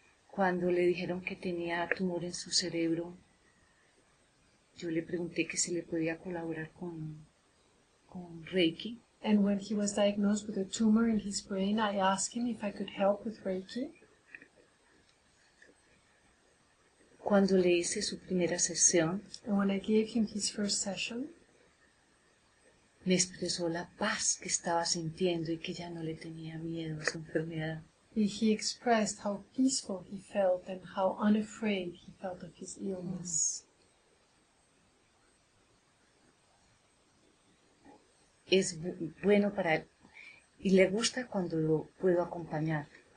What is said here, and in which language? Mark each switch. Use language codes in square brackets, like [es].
[es] Cuando le dijeron que tenía tumor en su cerebro, yo le pregunté que si le podía colaborar con Reiki. [en] And when he was diagnosed with a tumor in his brain, I asked him if I could help with Reiki. [es] Cuando le hice su primera sesión, [en] and when I gave him his first session, [es] me expresó la paz que estaba sintiendo y que ya no le tenía miedo a su enfermedad. [en] He expressed how peaceful he felt and how unafraid he felt of his illness. [es] Es bueno para él. Y le gusta cuando lo puedo acompañar.